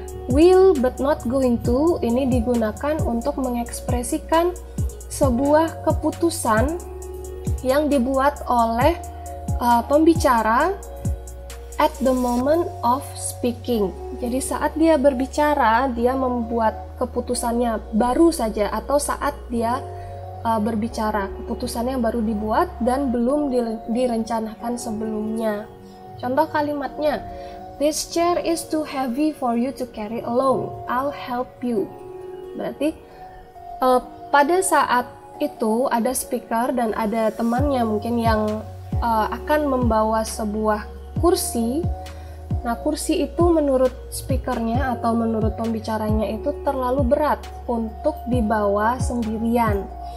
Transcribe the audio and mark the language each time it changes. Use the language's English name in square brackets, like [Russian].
[English] Will but not going to [Indonesian] ini digunakan untuk mengekspresikan sebuah keputusan yang dibuat oleh pembicara [English] at the moment of speaking. [Indonesian] Jadi saat dia berbicara, dia membuat keputusannya baru saja atau saat dia berbicara, keputusannya baru dibuat dan belum direncanakan sebelumnya. Contoh kalimatnya, [English] this chair is too heavy for you to carry alone. I'll help you. [Indonesian] Berarti pada saat itu ada speaker dan ada temannya mungkin yang akan membawa sebuah kursi. Nah, kursi itu menurut speakernya atau menurut pembicaranya itu terlalu berat untuk dibawa sendirian.